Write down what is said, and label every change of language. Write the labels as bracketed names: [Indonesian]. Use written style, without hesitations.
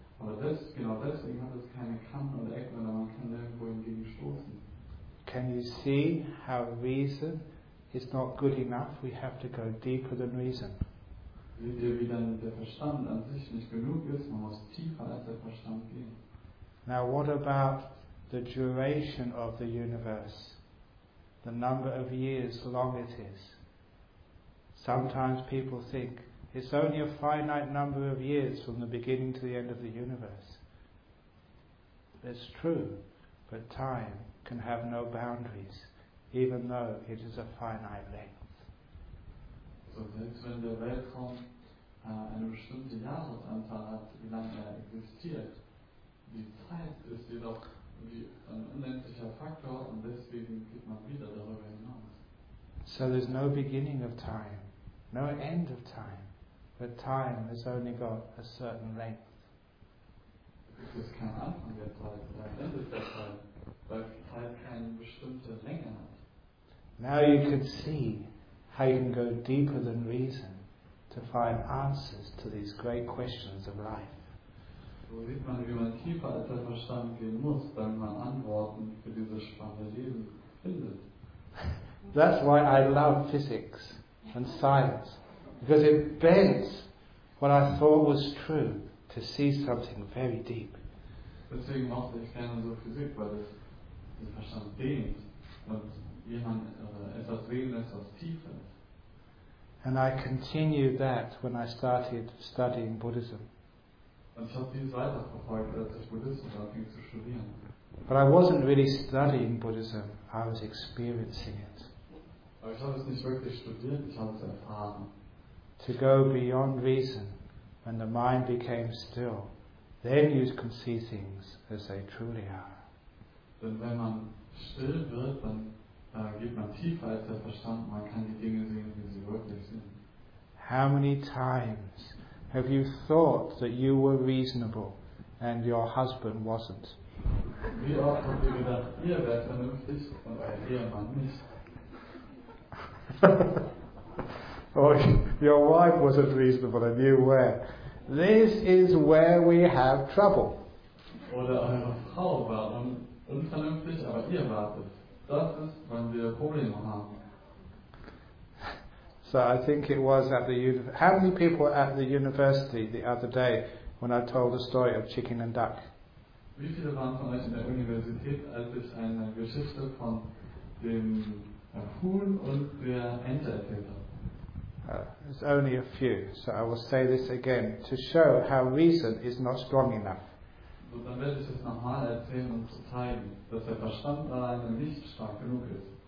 [German] Aber das, genau deswegen hat es keine Kanten oder Ecken, sondern man kann nirgendwo hingegen stoßen. [English] Can you see how reason is not good enough? We have to go deeper than reason. [German] Seht ihr, wie dann der Verstand an sich nicht genug ist? Man muss tiefer als der Verstand gehen. [English] Now what about the duration of the universe? The number of years long it is. Sometimes people think it's only a finite number of years from the beginning to the end of the universe. It's true, but time can have no boundaries, even though it is a finite length. [German] So selbst wenn der Weltraum eine bestimmte Jahresanzahl hat, wie lange er existiert, die Zeit ist jedoch ein unendlicher Faktor und deswegen geht man wieder darüber hinaus. [English] So there's no beginning of time, no end of time, but time has only got a certain length. [German] Es ist kein Anfang der Zeit, kein Ende der Zeit, weil die Zeit keine bestimmte Länge hat. [English] Now you can see how you can go deeper than reason to find answers to these great questions of life. [German] So sieht man, wie man tiefer als der Verstand gehen muss, wenn man Antworten für dieses spannende Leben findet. [English] That's why I love physics and science. Because it bends what I thought was true to see something very deep. [German] Deswegen mochte ich gerne so Physik, weil es den Verstand dehnt und jemand etwas sehen lässt, was tief ist. [English] And I continued that when I started studying Buddhism. [German] Und ich habe dies weiterverfolgt, als ich Buddhismus anfing zu studieren. [English] But I wasn't really studying Buddhism, I was experiencing it. [German] Aber ich habe es nicht wirklich studiert, ich habe es erfahren. [English] To go beyond reason, when the mind became still, then you can see things as they truly are. [German] Denn wenn man still wird, dann geht man tiefer als der Verstand, man kann die Dinge sehen, wie sie wirklich sind. [English] How many times have you thought that you were reasonable and your husband wasn't? [German] Wie oft habt ihr gedacht, ihr wärt vernünftig und euer Ehemann nicht? [English] Or your wife wasn't reasonable and you were. This is where we have trouble. [German] Oder eure Frau war unvernünftig, aber ihr wartet. Das ist, wenn wir Probleme haben. [English] So I think it was at the university. How many people were at the university the other day when I told the story of chicken and duck? [German] Wie viele waren von euch in der Universität, als ich eine Geschichte von dem Huhn und der Ente erzählt habe? [English] It's only a few. So I will say this again to show how reason is not strong enough. [German] Und dann werde ich es nochmal erzählen, um zu zeigen, dass der Verstand alleine nicht stark genug ist.